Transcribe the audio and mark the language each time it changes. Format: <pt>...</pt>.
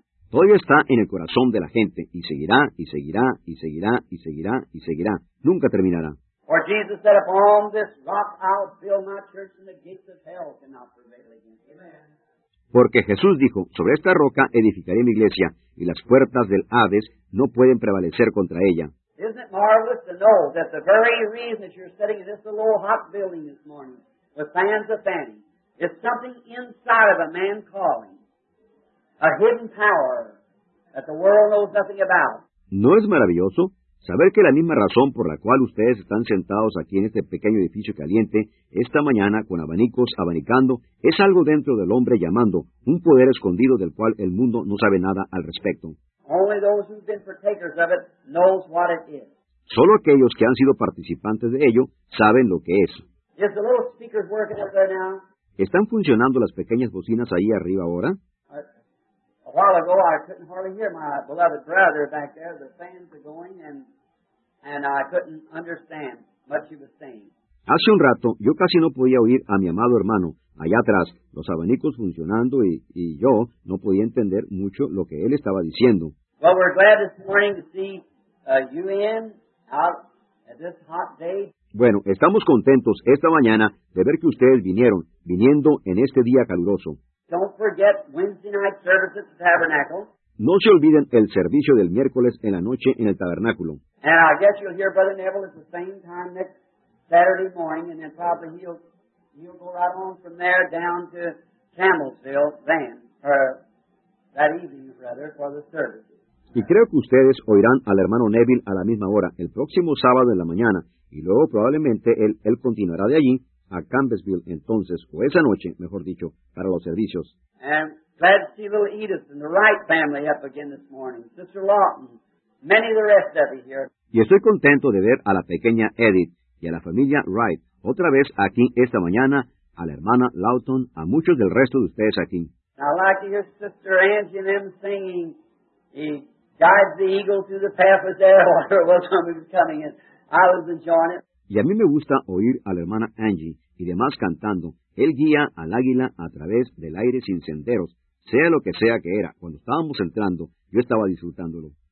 <es>Todavía está en el corazón de la gente y seguirá y seguirá y seguirá y seguirá y seguirá. Nunca terminará.</es> <en>Or Jesus said, upon this rock I'll build my church and the gates of hell cannot prevail against it.</en> <es>Porque Jesús dijo, sobre esta roca edificaré mi iglesia, y las puertas del Hades no pueden prevalecer contra ella.</es> <en>Isn't it marvelous to know that the very reason that you're sitting in this little hot building this morning with fans of fanning is something inside of a man calling, a hidden power that the world knows nothing about.</en> <es>¿No es maravilloso? Saber que la misma razón por la cual ustedes están sentados aquí en este pequeño edificio caliente, esta mañana con abanicos abanicando, es algo dentro del hombre llamando, un poder escondido del cual el mundo no sabe nada al respecto.</es> <en>Only those who've been partakers of it knows what it is.</en> <es>Solo aquellos que han sido participantes de ello saben lo que es.</es> <en>Is the little speakers working up there now?</en> <es>¿Están funcionando las pequeñas bocinas ahí arriba ahora?</es> <en>A while ago, I couldn't hardly hear my beloved brother back there. The fans are going, and I couldn't understand much he was saying.</en> <es>Hace un rato, yo casi no podía oír a mi amado hermano allá atrás, los abanicos funcionando, y yo no podía entender mucho lo que él estaba diciendo.</es> <en>Well, we're glad this morning to see you in out at this hot day.</en> <es>Bueno, estamos contentos esta mañana de ver que ustedes viniendo en este día caluroso.</es> <en>Don't forget Wednesday night service at the tabernacle.</en> <es>No se olviden el servicio del miércoles en la noche en el tabernáculo.</es> <en>And I guess you'll hear Brother Neville at the same time next Saturday morning, and then probably he'll go right on from there down to Camelsville then, or that evening rather, for the service.</en> <es>Y creo que ustedes oirán al hermano Neville a la misma hora, el próximo sábado en la mañana, y luego probablemente él continuará de allí, a Campbellsville, entonces, o esa noche, mejor dicho, para los servicios.</es> <en>And glad to see little Edith and the Wright family up again this morning. Sister Lawton, many of the rest of you here.</en> <es>Y estoy contento de ver a la pequeña Edith y a la familia Wright otra vez aquí esta mañana, a la hermana Lawton, a muchos del resto de ustedes aquí.</es> <en>I like to hear Sister Angie and them singing, "He guides the eagle through the path of death," or "What's coming is coming," and I was enjoying it.</en> <es>Y a mí me gusta oír a la hermana Angie y demás cantando, "Él guía al águila a través del aire sin senderos." Sea lo que sea que era, cuando estábamos entrando, yo estaba disfrutándolo.</es>